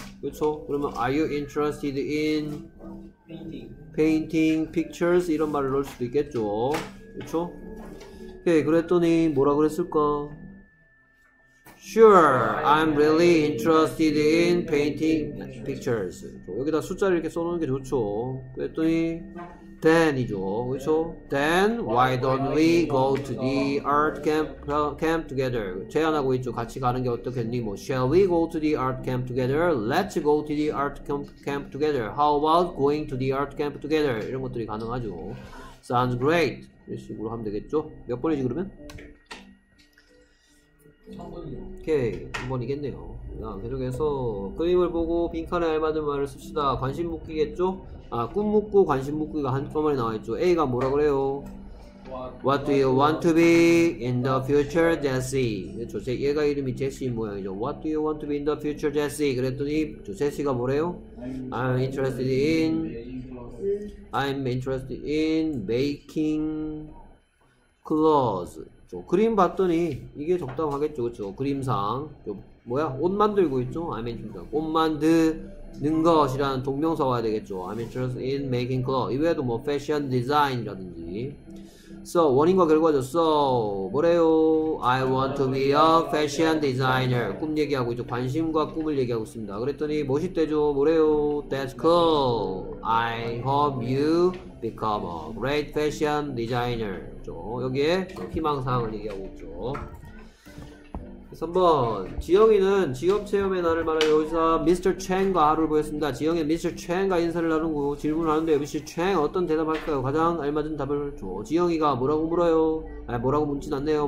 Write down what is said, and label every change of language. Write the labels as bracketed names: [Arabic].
[English] 그렇죠? 그러면 are you interested in painting pictures? [Korean] 이런 말을 넣을 수도 있겠죠. 그렇죠? 오케이, 그랬더니 뭐라 그랬을까? [English] Sure, I'm really interested in painting pictures. [Korean] 여기다 숫자를 이렇게 써놓는 게 좋죠. 그랬더니 Then이죠, 그렇죠? [English] Then why don't we go to the art camp together? [Korean] 제안하고 있죠. 같이 가는 게 어떻겠니? [English] 뭐, shall we go to the art camp together? Let's go to the art camp together. How about going to the art camp together? [Korean] 이런 것들이 가능하죠. Sounds great. 이런 식으로 하면 되겠죠? 몇 번이지 그러면? 오케이, 한 번이겠네요. 자, 계속해서 그림을 보고 빈칸에 알맞은 말을 씁시다. 관심 묶기겠죠? 아, 꿈 묶고 관심 묶기가 한꺼번에 나와있죠. A가 뭐라 그래요? [English] What do you want to be in the future, Jesse? [Korean] 그렇죠. 얘가 이름이 제시 모양이죠. [English] What do you want to be in the future, Jesse? [Korean] 그랬더니 제시가 뭐래요? [English] I'm interested in making clothes. [Korean] 그림 봤더니 이게 적당하겠죠. 그렇죠. 그림상. 뭐야? 옷 만들고 있죠? I'm interested. 옷 만드는 것이라는 동명사가 되겠죠. [English] I'm interested in making clothes. 이외에도 뭐, fashion design이라든지. So, 원인과 결과죠. So, 뭐래요? I want to be a fashion designer. 꿈 얘기하고 있죠. [Korean] 관심과 꿈을 얘기하고 있습니다. 그랬더니 멋있대죠. 뭐래요? That's cool. [English] I hope you become a great fashion designer. [Korean] 여기에 희망사항을 얘기하고 있죠. 3번. 지영이는 직업 체험의 날을 말하여 여기서 미스터 챙과 하루를 보냈습니다. 지영이는 미스터 챙과 인사를 나누고 질문을 하는데 미스터 챙 어떤 대답할까요? 가장 알맞은 답을 줘. 지영이가 뭐라고 물어요? 아니, 뭐라고 묻진 않네요.